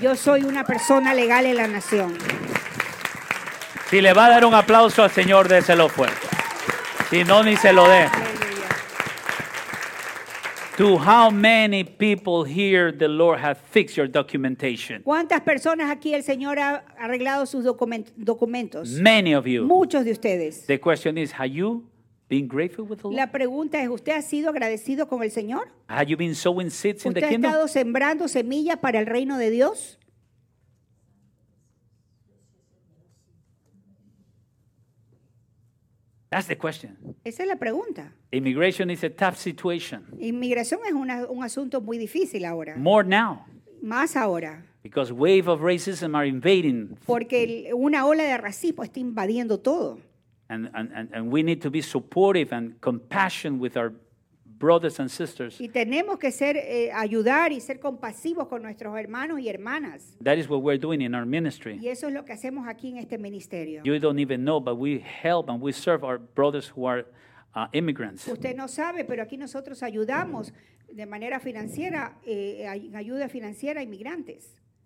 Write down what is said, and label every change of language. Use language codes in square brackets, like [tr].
[es] Yo soy una persona legal en la nación. Si le va a dar un aplauso al Señor, déselo fuerte. Si no, ni se lo dé. [en] To how many people here the Lord has fixed your documentation? [es] ¿Cuántas personas aquí el Señor ha arreglado sus documentos? [en] Many of you. [es] Muchos de ustedes. [en] The question is, have you been grateful with the Lord? [es] La pregunta es, ¿usted ha sido agradecido con el Señor? [en] Have you been sowing seeds in the kingdom? [es] ¿Usted ha estado sembrando semillas para el reino de Dios? [en] That's the question. [es] Esa es la pregunta. [en] Immigration is a tough situation. [es] Inmigración es un asunto muy difícil ahora. [en] More now. [es] Más ahora. [en] Because wave of racism are invading. [es] Porque una ola de racismo está invadiendo todo. [en] And we need to be supportive and compassionate with our brothers and sisters. [es] Y tenemos que ser ayudar y ser compasivos con nuestros hermanos y hermanas. [en] That is what we're doing in our ministry. [es] Y eso es lo que hacemos aquí en este ministerio. [en] You don't even know, but we help and we serve our brothers who are immigrants. [es] Usted no sabe, pero aquí nosotros ayudamos de manera financiera, en ayuda financiera a inmigrantes.